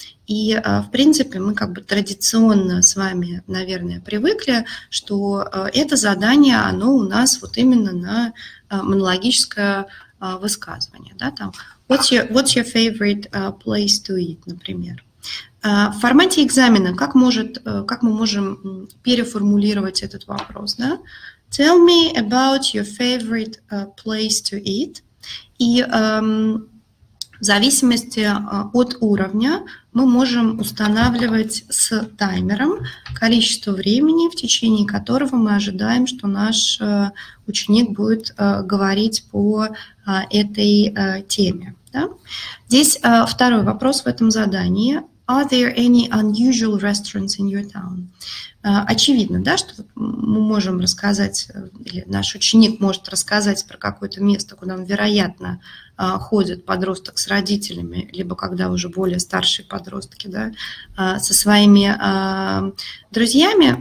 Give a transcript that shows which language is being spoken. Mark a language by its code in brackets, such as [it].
[ru] И, в принципе, мы как бы традиционно с вами, наверное, привыкли, что это задание, оно у нас вот именно на монологическое высказывание. Да, там, [en] what's your favorite place to eat, [ru] например. В формате экзамена как мы можем переформулировать этот вопрос? Да? [en] Tell me about your favorite place to eat. [ru] И в зависимости от уровня мы можем устанавливать с таймером количество времени, в течение которого мы ожидаем, что наш ученик будет говорить по этой теме. Да? Здесь второй вопрос в этом задании. [en] Are there any unusual restaurants in your town? [ru] Очевидно, да, что мы можем рассказать, или наш ученик может рассказать про какое-то место, куда он, вероятно, ходит подросток с родителями, либо когда уже более старшие подростки, да, со своими друзьями.